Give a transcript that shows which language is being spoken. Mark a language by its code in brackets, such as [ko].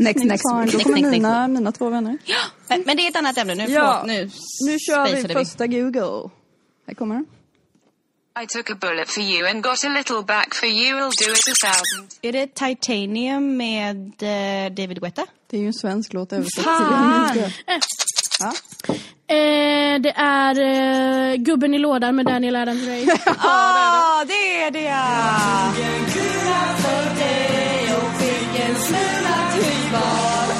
[en] Next time. [sv] Då kommer mina två vänner. Ja, men det är ett annat ämne. Nu kör vi första Google. Här kommer den. [en] I took a bullet for you and got a little back for you. I'll do it 1000. [sv] Är det Titanium med David Guetta? Det är ju en svensk låt översatt. Fan! Det är Gubben i lådan med Daniel Adams Ray. Ja, det är det! Jag fick en kula för dig och fick en smula tillbaka.